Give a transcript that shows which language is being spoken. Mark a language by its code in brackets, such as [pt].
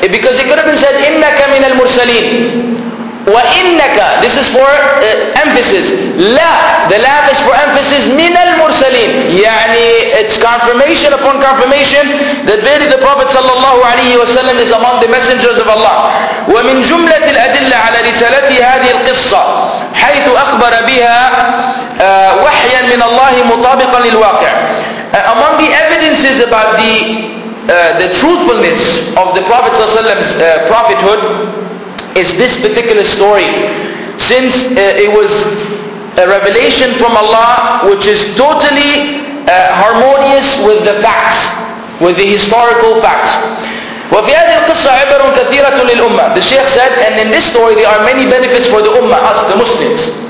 [en] Because it could have been said, [ar] إِنَّكَ مِنَ الْمُرْسَلِينَ وَإِنَّكَ [en] This is for emphasis. لَا The لَا is for emphasis. [ar] مِنَ الْمُرْسَلِينَ يعني [en] it's confirmation upon confirmation that verily the Prophet [ar] صلى الله عليه وسلم [en] is among the messengers of Allah. [ar] وَمِنْ جُمْلَةِ الْأَدِلَّ عَلَى رِسَالَةِ هَذِهِ الْقِصَّةِ حَيْثُ أَخْبَرَ بِهَا وَحْيًا مِنَ اللَّهِ مُطَابِقًا لِلْوَاقِعِ [en] Among the evidences about the truthfulness of the Prophet صلى الله عليه وسلم's prophethood is this particular story. Since it was a revelation from Allah which is totally harmonious with the facts, with the historical facts. [ar] وَفِي هَذِهِ الْقِصَّةِ عِبَرٌ كَثِيرَةٌ لِلْأُمَّةِ [en] The Shaykh said, and in this story there are many benefits for the Ummah, us, the Muslims.